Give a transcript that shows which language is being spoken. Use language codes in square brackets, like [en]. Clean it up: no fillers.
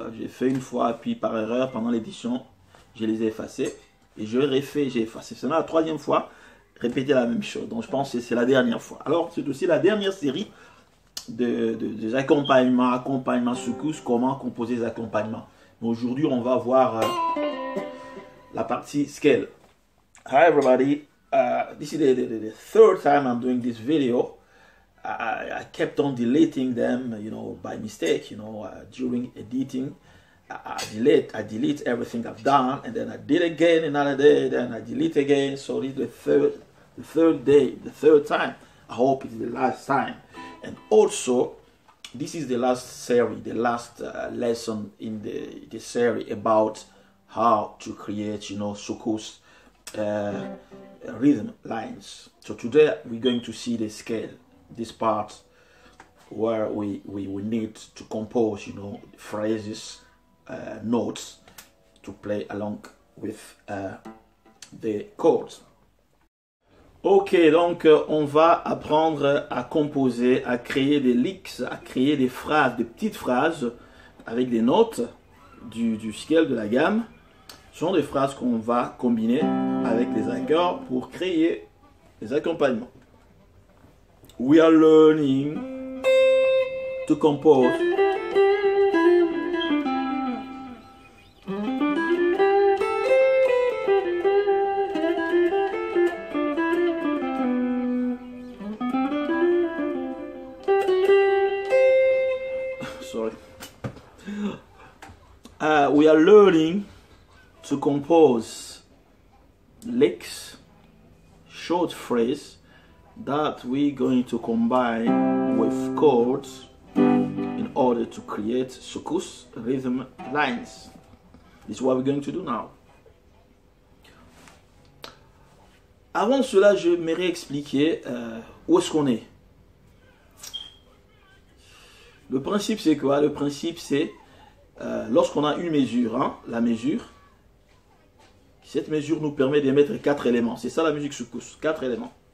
[fr] J'ai fait une fois, puis par erreur, pendant l'édition, je les ai effacées. Et je refais, j'ai effacé. C'est la troisième fois, répéter la même chose. Donc je pense que c'est la dernière fois. Alors c'est aussi la dernière série des accompagnements, accompagnements secousses, comment composer des accompagnements. Mais aujourd'hui, on va voir. La partie scale. [en] Hi everybody, this is the third time I'm doing this video. I kept on deleting them, you know, by mistake, you know, during editing. I delete everything I've done, and then I did again another day, then I delete again. So this is the third day, the third time. I hope it's the last time. And also, this is the last series, the last lesson in the series about how to create, you know, soukous rhythm lines. So today we're going to see the scale, this part where we need to compose, you know, phrases, notes to play along with the chords. [fr] Ok, donc on va apprendre à composer, à créer des licks, à créer des phrases, des petites phrases avec des notes du scale de la gamme. Ce sont des phrases qu'on va combiner avec les accords pour créer des accompagnements. [en] We are learning to compose. We are learning to compose licks, short phrase that we're going to combine with chords in order to create soukous rhythm lines. This is what we're going to do now. [fr] Avant cela, je me réexpliquer où est-ce qu'on est. Le principe, c'est quoi? Le principe, c'est lorsqu'on a une mesure, hein, la mesure. Cette mesure nous permet d'émettre quatre éléments. C'est ça la musique soukous. Quatre éléments.